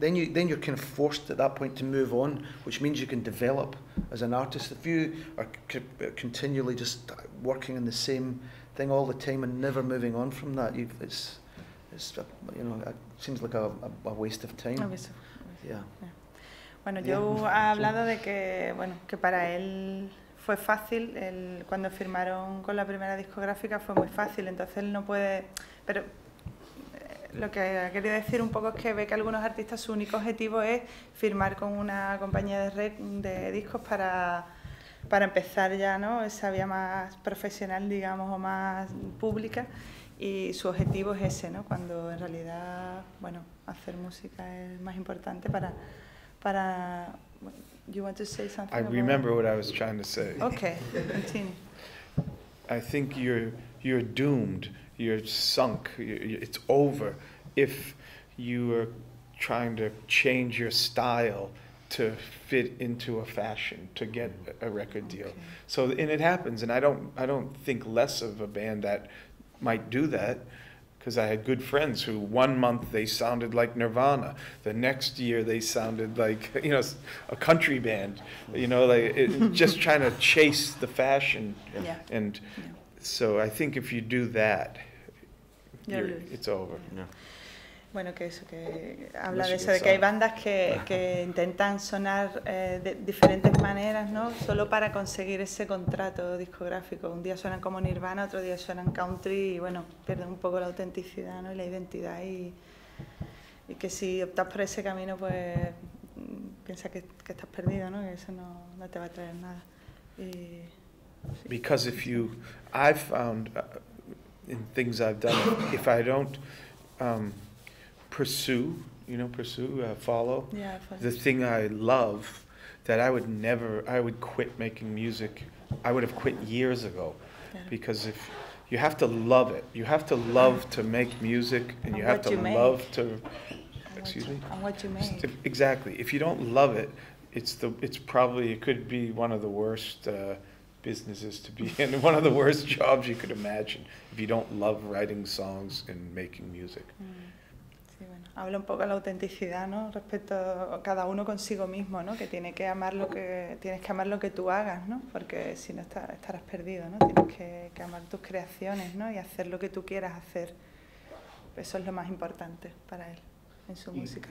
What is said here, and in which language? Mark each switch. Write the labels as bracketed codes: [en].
[en] Then you're kind of forced at that point to move on, which means you can develop as an artist. If you are continually just working on the same thing all the time and never moving on from that, it seems like a waste of time. Yeah. [es] Bueno, yo he hablado de que, bueno, que para él fue fácil, cuando firmaron con la primera discográfica fue muy fácil, entonces él no puede, pero lo que ha querido decir un poco es que ve que algunos artistas su único objetivo es firmar con una compañía de discos para empezar ya, ¿no? Esa vía más profesional, digamos, o más pública. Y su objetivo es ese, ¿no? Cuando en realidad, bueno, hacer música es más importante [en] But you want to say something? I remember what I was trying to say. Okay, continue. I think you're doomed. You're sunk. It's over. If you are trying to change your style to fit into a fashion to get a record deal, okay. So and it happens. And I don't think less of a band that might do that, because I had good friends who 1 month they sounded like Nirvana, the next year they sounded like, you know, a country band, you know, like it, just trying to chase the fashion. Yeah. And yeah. So I think if you do that, it's over. Yeah. [es] Bueno, que eso, que habla de eso, de que hay bandas que intentan sonar de diferentes maneras, ¿no? Solo para conseguir ese contrato discográfico. Un día suenan como Nirvana, otro día suenan country y, bueno, pierden un poco la autenticidad, ¿no? Y la identidad. Y que si optas por ese camino, pues piensa que estás perdido, ¿no? Que eso no te va a traer nada. Y, [en] because if you, I've found in things I've done, if I don't follow the thing I love, that I would quit making music. I would have quit years ago. Yeah. Because if you have to love it, you have to love to make music, and you have to love to, excuse me? And what you make. Exactly. If you don't love it, it could be one of the worst businesses to be in, one of the worst jobs you could imagine, if you don't love writing songs and making music. [es] Sí, bueno, habla un poco de la autenticidad, ¿no? Respecto a cada uno consigo mismo, ¿no? Que tiene que amar lo que tienes que amar lo que tú hagas, ¿no? Porque si no estarás perdido, ¿no? Tienes que amar tus creaciones, ¿no? Y hacer lo que tú quieras hacer. Eso es lo más importante para él en su música.